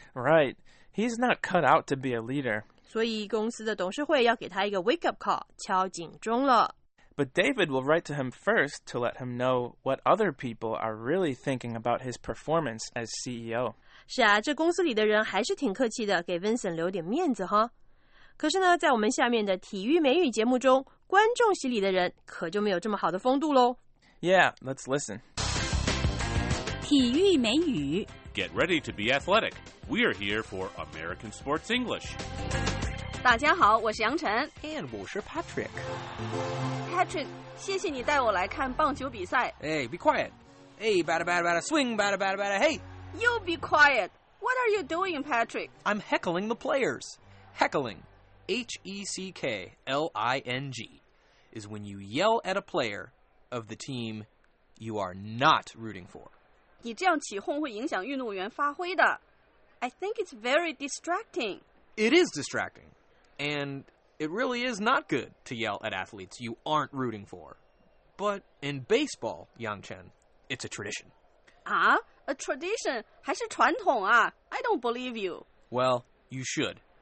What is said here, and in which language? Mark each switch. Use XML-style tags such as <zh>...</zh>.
<en>Right, he's not cut out to be a leader.</en> <zh>所以公司的董事会要给他一个 wake up call, 敲警钟了。</zh> <en>But David will write to him first to let him know what other people are really thinking about his performance as CEO.</en> <zh>是啊，这公司里的人还是挺客气的，给 Vincent 留点面子哈。可是呢，在我们下面的体育美语节目中，观众席里的人可就没有这么好的风度咯。</zh> <en>Yeah, let's listen.</en> <zh>体育美语。</zh> <en>Get ready to be athletic. We're here for American Sports English.</en> <zh>大家好，我是杨晨。 And 我是 Patrick. Patrick, 谢谢你带我来看棒球比赛。</zh> <en>Hey, be quiet. Hey, bada bada bada, swing, bada bada bada, hey. You be quiet. What are you doing, Patrick? I'm heckling the players. Heckling, H-E-C-K-L-I-N-G, is when you yell at a player of the team you are not rooting for.</en> <zh>你这样起哄会影响运动员发挥的。</zh> <en>I think it's very distracting. It is distracting. And it really is not good to yell at athletes you aren't rooting for. But in baseball, Yangchen, it's a tradition. Ah? A tradition, 还是传统啊? I don't believe you. Well, you should.</en>